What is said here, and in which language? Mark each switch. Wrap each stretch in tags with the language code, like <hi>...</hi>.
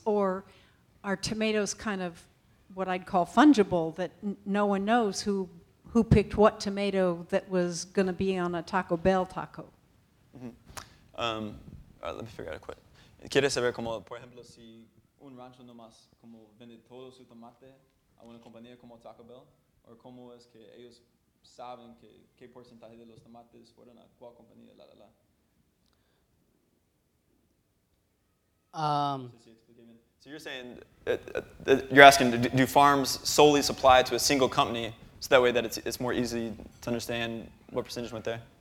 <en>Or are tomatoes kind of what I'd call fungible, that no one knows who picked what tomato that was going to be on a Taco Bell taco? Mm-hmm. All right, let me figure out a quick.</en> <es>¿Quieres saber cómo, por ejemplo, si un rancho nomás como vende todo su tomate a una compañía como Taco Bell? ¿O cómo es que ellos saben qué porcentaje de los tomates fueron a cuál compañía, la, la, la?</es> <en>So you're saying, you're asking, do farms solely supply to a single company so that way that it's more easy to understand what percentage went there?</en>